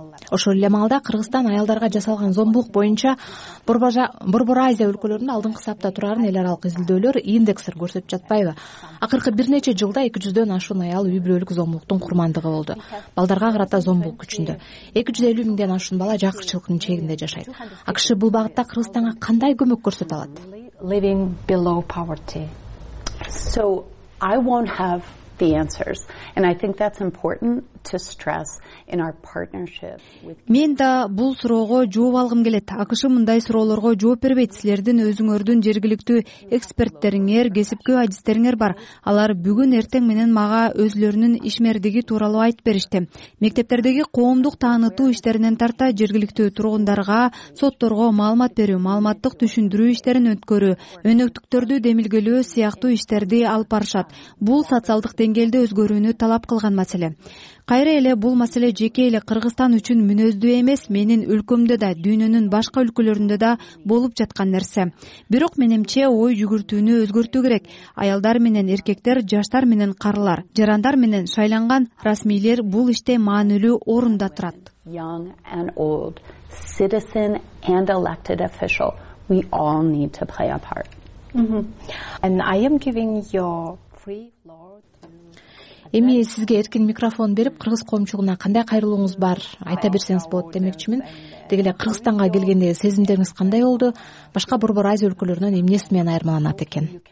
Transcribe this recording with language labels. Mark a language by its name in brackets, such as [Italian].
[Kyrgyz] Ошол эле маалда Кыргызстан аялдарга жасалган зомбулук боюнча Борбор Азия өлкөлөрүнүн алдыңкы сапта турарын эл аралык изилдөөлөр индексер көрсөтүп жатпайбы? Акыркы бир нече жылда 200 ашуун аял үй бүлөлүк зомбулуктун курмандыгы болду. Балдарга карата зомбулук күчүндө. 250,000 ашуун бала жакырчылыктын чегинде жашайт. АКШ бул багытта Кыргызстанга кандай көмөк көрсөтө алат? [English] Living below poverty. So I won't have the answers. And I think that's important to stress in our partnership with [Kyrgyz] Мен да бул суроого жооп алгым келет. АКШ мындай суроолорго жооп бербейт. Силердин өзүңөрдүн жергиликтүү эксперттериңер, кесипкөй адистериңер бар. Алар бүгүн эртең менен мага өзлөрүнүн ишмердиги тууралуу айтып беришти. Мектептердеги коомдук таанытуу иштеринен тарта жергиликтүү тургундарга, сотторго маалымат берүү, маалыматтык түшүндүрүү иштерин өткөрүү, өнөктүктөрдү демилгелөө сыяктуу иштерди алып барышат. Бул социалдык деңгээлде өзгөрүүнү талап кылган маселе. Кайра эле бул маселе жеке эле Кыргызстан үчүн мүнөздүү эмес, менин өлкөмдө да, дүйнөнүн башка өлкөлөрүндө да болуп жаткан нерсе. Бирок менимче ой жүгүртүүнү өзгөртүү керек. Аялдар менен эркектер, жаштар менен карылар, жарандар менен шайланган расмийлер бул иште маанилүү орунда турат. [English] Young and old, citizen and elected official, we all need to play a part. And I am giving your free floor. [Kyrgyz] Эми сизге эркин микрофон берип, кыргыз коомчулугуна кандай кайрылууңуз бар, айта берсеңиз болот демекчимин. Деги эле Кыргызстанга келгенде сезимдериңиз кандай болду? Башка борбор Азия өлкөлөрүнөн эмнеси менен айырмаланат экен?